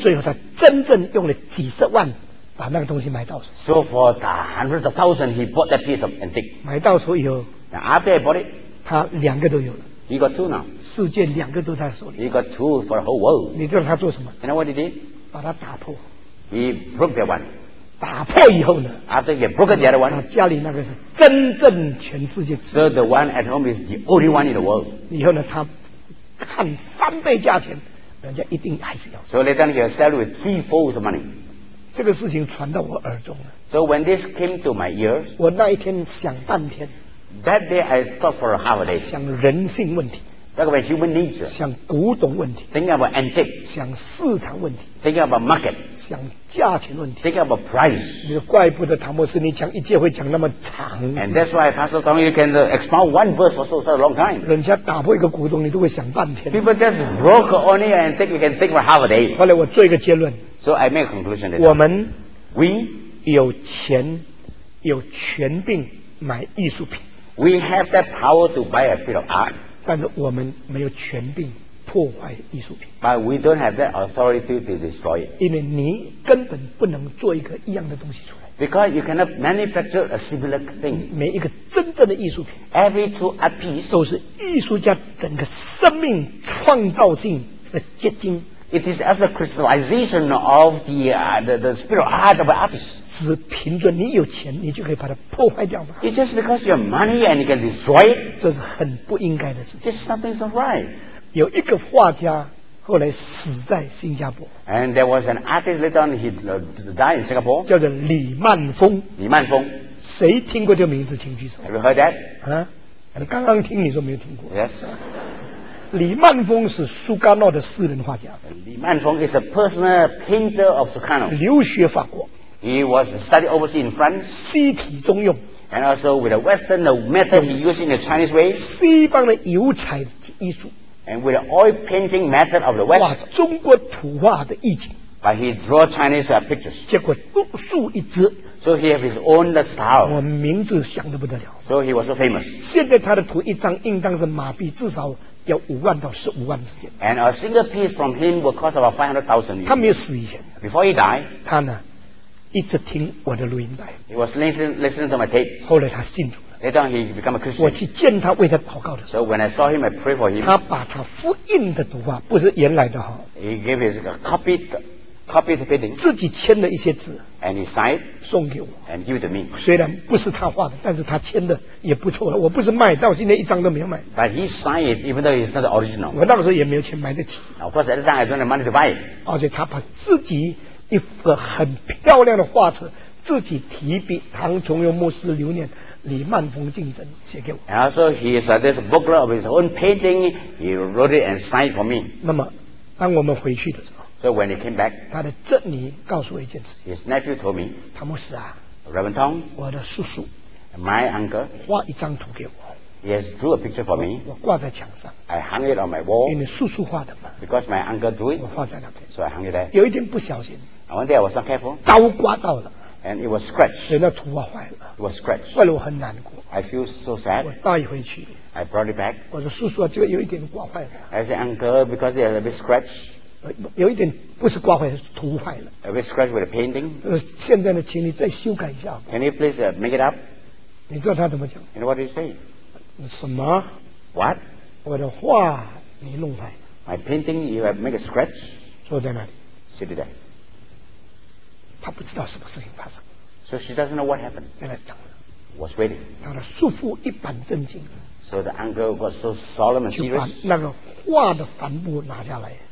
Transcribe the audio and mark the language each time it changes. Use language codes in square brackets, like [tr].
[zh] 最后他真正用了几十万把那个东西买到手 [en] So for the hundreds of thousands he bought that piece of antique [zh] 买到手以后 [en] Now after he bought it [zh] 他两个都有了 [en] He got two now [zh] 世界两个都在手里 [en] He got two for the whole world [zh] 你知道他做什么 [en] You know what he did [zh] 把它打破 [en] He broke that one [zh] 打破以后呢 [en] After he broke the other one [zh] 家里那个是真正全世界 [en] So the one at home is the only one in the world [zh] 以后呢他看三倍价钱人家一定还是要 [en] So later he'll sell with threefold money [zh] 这个事情传到我耳中了 [en] So when this came to my ears [zh] 我那一天想半天 [en] That day I thought for a half a day [zh] 想人性问题 [en] Talk about human nature [zh] 想古董问题 [en] Think about antique [zh] 想市场问题 [en] Think about market [zh] 想价钱问题 [en] Think about price [zh] 你怪不得唐牧师你讲一节会讲那么长 [en] And that's why Pastor Tong You can expound one verse for so long time [zh] 人家打破一个股东你都会想半天 [en] People just broke on it And think you can think for half a day [zh] 后来我做一个结论 [en] So I make a conclusion [zh] 我们 [en] We [zh] 有钱有权柄买艺术品 [en] We have that power to buy a piece of art [zh] 但是我们没有权柄破坏艺术品 [en] But we don't have that authority to destroy it [zh] 因为你根本不能做一个一样的东西出来 [en] Because you cannot manufacture a similar thing [zh] 每一个真正的艺术品 [en] Every true art piece [zh] 都是艺术家整个生命创造性的结晶 [en] It is as a crystallization of the spirit of art of an artist [zh] 只凭着你有钱你就可以把它破坏掉吗 [en] It's just because you have money and you can destroy it [zh] 这是很不应该的事情 [en] It's something so right [zh] 有一个画家后来死在新加坡 [en] And there was an artist later on he died in Singapore [zh] 叫做李曼峰李曼峰谁听过这个名字请举手 [en] Have you heard that? [zh] 啊刚刚听你说没有听过 [en] Yes [zh] 李曼峰是苏加诺的私人画家 [en] 李曼峰 is a personal painter of Sukarno [zh] 留学法国 [en] He was studied overseas in France [zh] 西体中用 [en] And also with the Western the method he used in the Chinese way. [zh] 西方的油彩艺术。 [en] And with the oil painting method of the West. [zh] 画中国图画的意境。 [en] But he draw Chinese pictures. [zh] 结果独树一帜。 [en] So he have his own style. [zh] 我名字响得不得了。 [en] So he was so famous. [zh] 现在他的图一张应当是马币至少要五万到十五万之间。 [en] And a single piece from him will cost about 500,000. [zh] 他没有死以前。 [en] Before he died. [zh] 他呢？一直听我的录音带。 [en] He was listening to my tape. [zh] 后来他信主了。 [en] Later he became a Christian. [zh] 我去见他，为他祷告的时候。 [en] So when I saw him, I prayed for him. [zh] 他把他复印的图画，不是原来的哈。 [en] He gave his copied painting. [zh] 自己签了一些字。 [en] And he signed. [zh] 送给我。 [en] And give it to me. [zh] 虽然不是他画的，但是他签的也不错了。我不是卖，到现在一张都没有卖。 [en] But he signed it, even though it's not original. [zh] 我那个时候也没有钱买得起。 [en] Of course, at that time I don't have money to buy it. [zh] 而且他把自己。一个很漂亮的画册，自己提笔，唐崇荣牧师留念，李曼峰敬真写给我。 [en] And also, he said this booklet of his own painting. He wrote it and signed for me. [zh] 那么，当我们回去的时候 [en] ，So when he came back, [zh] 他的侄女告诉我一件事。 [en] His nephew told me, [zh] 唐牧师啊 [en] ，Reverend Tong, [zh] 我的叔叔 [en] ，My uncle, [zh] 画一张图给我。 [en] He has drew a picture for me. [zh] 我挂在墙上。 [en] I hung it on my wall. [zh] 因为叔叔画的嘛。 [en] Because my uncle drew it. [zh] 我画在那边。 [en] So I hung it there. [zh] 有一天不小心。 [en] And one day I was not careful. [zh] 刀刮到了。 [en] And it was scratched. [zh] 所以那图画坏了。 [en] It was scratched. [zh] 坏了我很难过。 [en] I feel so sad. [zh] 我带回去。 [en] I brought it back. [zh] 我说叔叔啊，这个有一点刮坏了。 [en] I said uncle, because it has a bit scratched. [zh] 有一点不是刮坏，是图坏了。 [en] A bit scratched with a painting. [zh] 现在呢，请你再修改一下。 [en] Can you please make it up? [zh] 你知道他怎么讲？ [en] You know what he say? [zh] 什么 [en] ？What？ [zh] 我的画你弄坏。 [en] My painting, you have made a scratch. [zh] 坐在那里。 [en] Sit there. [zh] 他不知道什么事情发生。 [en] So she doesn't know what happened. [zh] 在那等着。 [en] Was waiting. [zh] 他的叔父一本正经。 [en] So the uncle was so solemn and serious. [zh] 就把那个画的帆布拿下来。